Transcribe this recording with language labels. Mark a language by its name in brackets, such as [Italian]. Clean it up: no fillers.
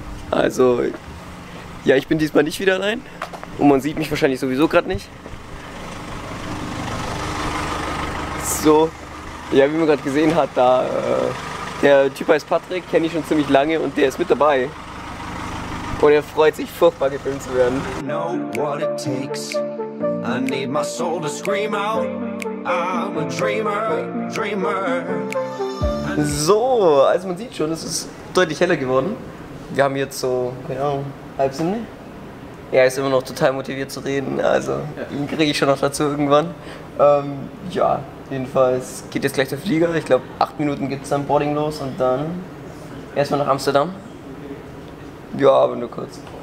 [German] Also, ja, ich bin diesmal nicht wieder allein. Und man sieht mich wahrscheinlich sowieso gerade nicht. So, ja, wie man gerade gesehen hat, da der Typ heißt Patrick, kenne ich schon ziemlich lange und der ist mit dabei. Und er freut sich, furchtbar gefilmt zu werden. [English] Know what it takes. I need my soul to scream out. I'm a dreamer, dreamer. [German] So, also man sieht schon, es ist deutlich heller geworden. Wir haben jetzt so, keine Ahnung, halb Sinne. Er ist immer noch total motiviert zu reden, also ja. Ihn kriege ich schon noch dazu irgendwann. Ja, jedenfalls geht jetzt gleich der Flieger. Ich glaube, 8 Minuten geht es dann Boarding los und dann erstmal nach Amsterdam. Ja, aber nur kurz.